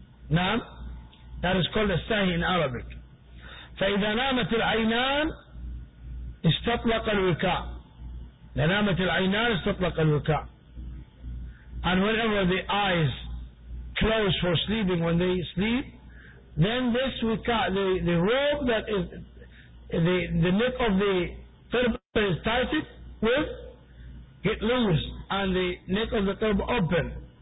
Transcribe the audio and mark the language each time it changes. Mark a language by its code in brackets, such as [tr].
[en] Naam, that is called as-sahi in Arabic. [ar] فإذا نامت العينان استطلق الوكاء. لنامت العينان استطلق الوكاء. [en] And whenever the eyes close for sleeping, when they sleep, then this wukā, the robe that is the neck of the turban is tightened with, get loose, and the neck of the turban open.